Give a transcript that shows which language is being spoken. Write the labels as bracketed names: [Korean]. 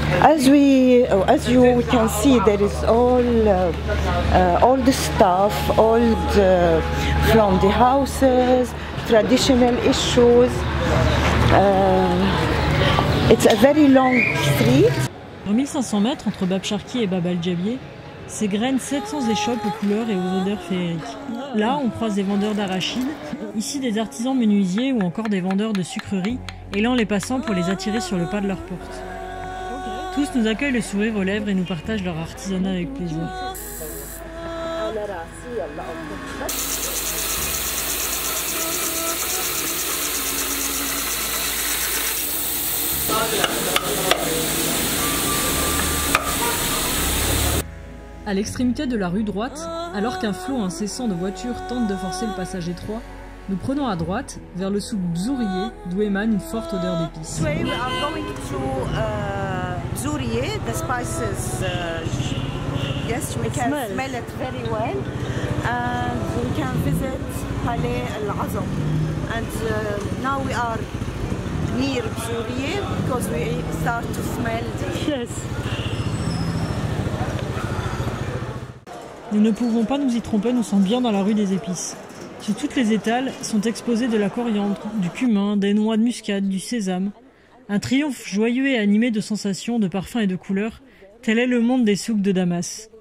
[English] As you can see, there is all the stuff, from the houses, traditional issues. It's a very long street. [French] Sur 1500 mètres entre Babcharki et Bab al-Jabiyeh, s'égrènent 700 échoppes aux couleurs et aux odeurs féeriques. Là, on croise des vendeurs d'arachides, ici des artisans menuisiers ou encore des vendeurs de sucreries, élant les passants pour les attirer sur le pas de leur porte. Tous nous accueillent le sourire aux lèvres et nous partagent leur artisanat avec plaisir. À l'extrémité de la rue droite, alors qu'un flot incessant de voitures tente de forcer le passage étroit, nous prenons à droite, vers le souk Bzourié, d'où émane une forte odeur d'épices. [English] Today we are going to Bzourié, the spices. Yes, we can smell it very well, and we can visit Palais al-Azam. And now we are near Bzourié because we start to smell. Yes. [French] Nous ne pouvons pas nous y tromper, nous sommes bien dans la rue des épices. Sur toutes les étals sont exposés de la coriandre, du cumin, des noix de muscade, du sésame. Un triomphe joyeux et animé de sensations, de parfums et de couleurs, tel est le monde des souks de Damas.